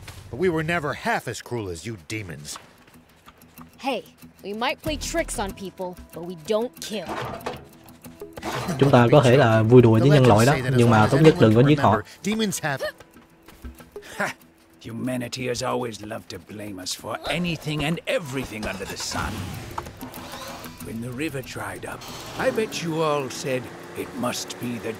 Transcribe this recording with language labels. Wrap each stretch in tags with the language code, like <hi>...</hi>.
<en>But we were never half as cruel as you demons. Hey, we might play tricks on people, but we don't kill.</en> <vi>Chúng ta có thể là vui đùa với nhân loại đó, nhưng mà tốt nhất đừng có giết họ.</vi> <en>Demons have humanity has always loved to blame us for anything and everything under the sun. When the river dried up, I bet you all said it must be the</en>